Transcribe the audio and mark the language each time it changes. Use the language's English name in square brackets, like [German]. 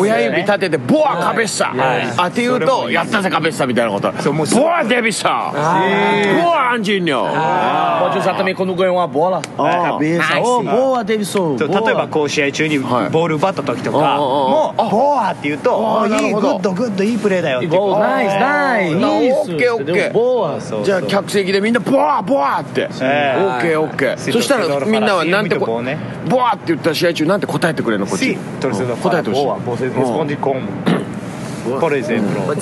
[Japanese] 親指立てて [Portuguese] boa cabeça [Japanese] って言うとやったぜカベサみたいなこと、 boa デビサ、 boa アンジーニョ、 [Portuguese] pode usar também quando ganhou uma bola cabeça, boa デビ [Japanese] ソ、 例えばこう試合中にボール奪った時とかも boa って言うと、 いいグッドグッドいいプレーだよ、ナイスナイス、 OK OK、 じゃあ客席でみんな [Portuguese] boa boa [Japanese] って、 OK OK、 そしたらみんなはなんて boa って言ったら試合中なんて答えてくれるのこっち、 [Portuguese] sí, [Japanese] 答えてほしい、 [Portuguese] boa, responde como por exemplo,